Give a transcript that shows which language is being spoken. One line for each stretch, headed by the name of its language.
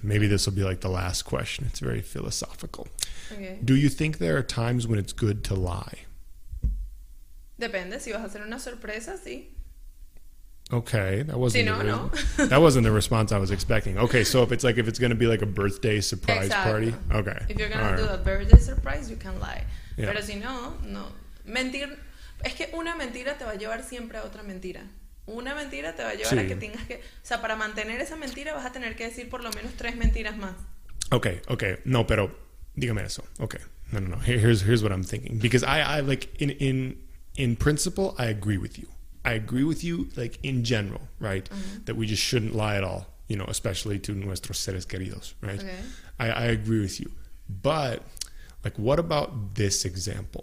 English: Maybe this will be like the last question. It's very philosophical. Okay. Do you think there are times when it's good to lie?
Spanish: Depende, si vas a hacer una sorpresa, sí.
English: Okay, that wasn't No. That wasn't the response I was expecting. Okay, so if it's going to be like a birthday surprise party. Okay. If you're going to do a birthday surprise, you can lie. Yeah.
Spanish: Pero si no. Mentir, es que una mentira te va a llevar siempre a otra mentira. Una mentira te va a llevar a que tengas que, o sea, para mantener esa mentira vas a tener que decir por lo menos 3 mentiras más. Okay. No, pero dígame eso. Okay. No.
English: Here's what I'm thinking, because I like in principle, I agree with you. I agree with you, like, in general, right? Mm-hmm. That we just shouldn't lie at all, you know, especially to
Spanish: nuestros seres queridos,
English: right? Okay. I agree with you. But, like, what about this example?